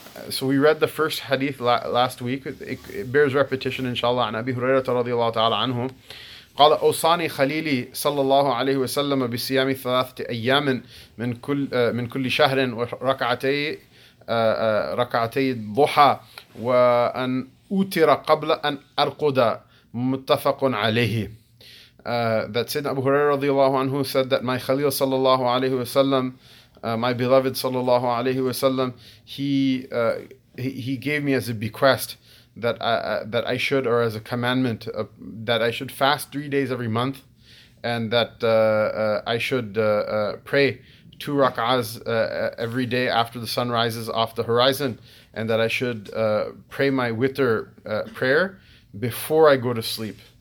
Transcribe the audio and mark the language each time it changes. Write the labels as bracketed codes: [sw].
[en] So we read the first hadith last week. It bears repetition, inshallah. [ar] An Abi Hurairah radiallahu ta'ala anhu قال أوصاني خليلي صلى الله عليه وسلم بصيام ثلاثة أيام من كل شهر وركعتي الضحى وأن أوتر قبل أن أرقد متفق عليه. [en] That Sayyidina Abu Hurairah [ar] رضي الله عنه [en] said that my [ar] خليل صلى الله عليه وسلم, [en] my beloved [ar] صلى الله عليه وسلم, [en] he gave me as a bequest that I should fast 3 days every month, and that I should pray two rak'ahs every day after the sun rises off the horizon, and that I should pray my witr prayer before I go to sleep.